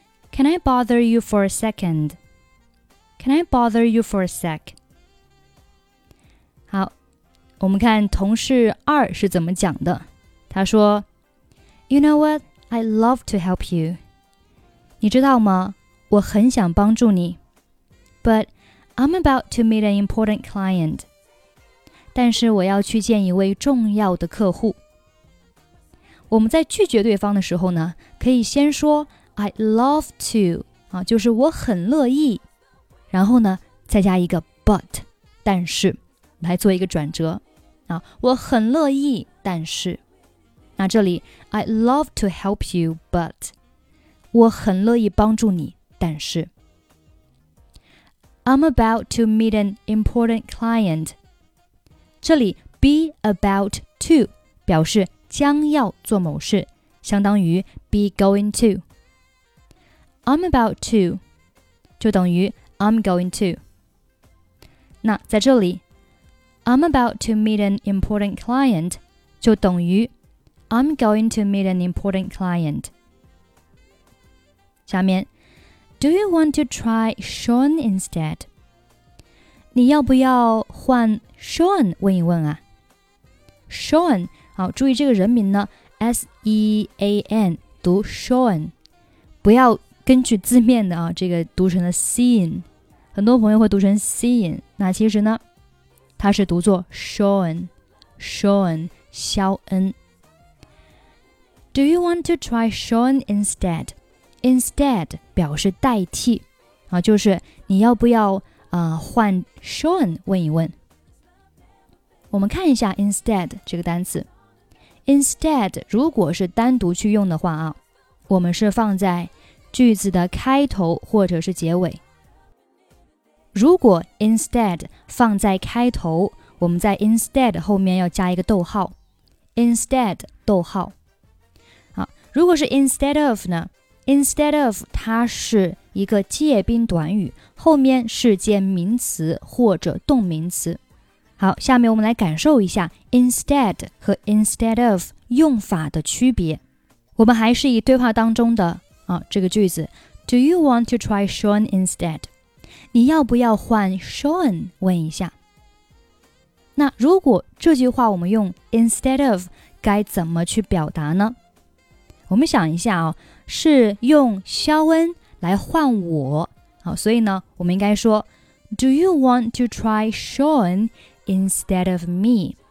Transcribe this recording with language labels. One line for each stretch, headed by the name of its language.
English: Can I bother you for a second? Can I bother you for a sec?
Chinese: 好，我们看同事二是怎么讲的。他说
English: You know what? I'd love to help you.
Chinese: 你知道吗？我很想帮助你。
English: But I'm about to meet an important client.
Chinese: 但是我要去见一位重要的客户。我们在拒绝对方的时候呢，可以先说
English: I'd love to,
Chinese: 就是我很乐意。然后呢，再加一个 but, 但是，来做一个转折。我很乐意，但是。那这里
English: I'd love to help you, but
Chinese: 我很乐意帮助你，但是。
English: I'm about to meet an important client.
Chinese: 这里
English: be about to
Chinese: 表示将要做某事，相当于
English: be going to. I'm about to
Chinese: 就等于
English: I'm going to.
Chinese: 那在这里
English: I'm about to meet an important client
Chinese: 就等于
English: I'm going to meet an important client.
Chinese: 下面
English: Do you want to try Sean instead?
Chinese: 你要不要换 Sean 问一问啊 ?Sean, 好，注意这个人名呢 ,S-E-A-N, 读 Sean, 不要根据字面的啊，这个读成了 Sean, 很多朋友会读成 Sean, 那其实呢它是读作 Sean, 肖恩。
English: Do you want to try Sean instead?
Chinese: Instead 表示代替，就是你要不要换 Sean 问一问。我们看一下 instead 这个单词。Instead 如果是单独去用的话，我们是放在句子的开头或者是结尾。如果 instead 放在开头，我们在 instead 后面要加一个逗号。 Instead 逗号。好，如果是 instead of 呢？ Instead of 它是一个介宾短语，后面是接名词或者动名词。好，下面我们来感受一下 instead 和 instead of 用法的区别。我们还是以对话当中的，这个句子
English: Do you want to try Sean instead?
Chinese: 你要不要换 Sean 问一下。那如果这句话我们用 instead of 该怎么去表达呢？我们想一下，是用肖恩来换我，所以呢我们应该说
English: Do you want to try Sean instead of me?